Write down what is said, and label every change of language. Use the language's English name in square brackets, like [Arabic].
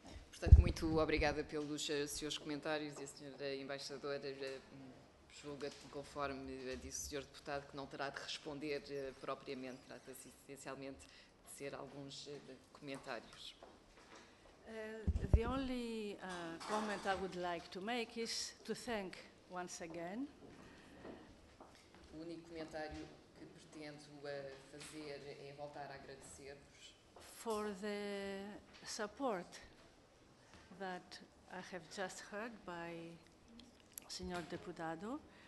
[Portuguese] Portanto, muito obrigada pelos seus comentários e a senhora embaixadora julga conforme disse o senhor deputado que não terá de responder propriamente, trata-se essencialmente de ser alguns comentários. [English] The only comment I would like to make is to thank once again. [Portuguese] O único comentário que pretendo fazer é voltar a agradecer-vos [English] for the support that I have just heard by Senhor Deputado